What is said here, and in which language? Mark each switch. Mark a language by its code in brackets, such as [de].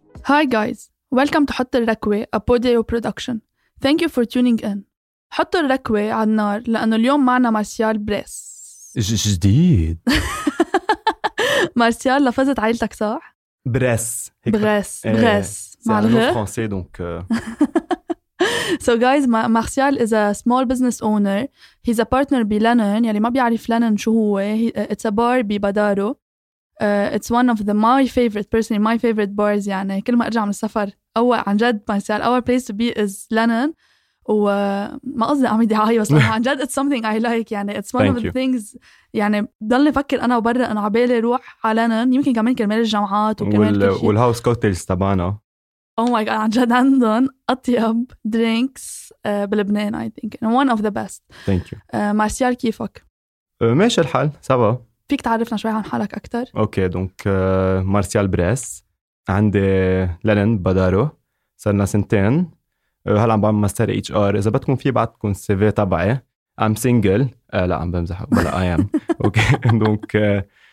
[en] Hi guys, welcome to حط الركوة, a Podio production. Thank you for tuning in. [ar] حط الركوة على النار لأنه اليوم معنا مارسيال بريس. جديد. مارسيال لفظت عائلتك صح؟ بريس. بريس. بريس. [fr] C'est un nom français donc. [en] So guys, Martial is a small business owner. He's a partner by Lennon. [ar] يعني ما بيعرف لينن شو هو. [en] It's a bar by Badaro. It's one of the my favorite bars. [ar] يعني كل ما أرجع من السفر أول عن جد Martial, [en] our place to be is Lennon. [ar] وما قصدي أعمل دعاية بس عن جد [en] it's something I like. يعني it's one of the things. [ar] يعني ضلني أفكر أنا وبرا أنا عبالي روح على Lennon. يمكن كمان كرمال الجامعات وكمان كل شيء. والهاوس كوتيلز تبعنا. [en] Oh my God, [ar] عن جد عندهم أطيب [en] drinks [ar] بلبنان, [en] I think. And one of the best. Thank you. [ar] مارسيال, كيفك؟ ماشي الحال, سبا. فيك تعرفنا شوي عن حالك أكتر؟ أوكي, دونك مارسيال بريس. عندي لينن بدارو. صرنا سنتين. هلا عم بعمل ماستر HR. إذا بدكم في بعدكم CV تبعي. [en] I'm single. [ar] لا, عم بمزح. بلا, [en] I am. [ar] أوكي, دونك.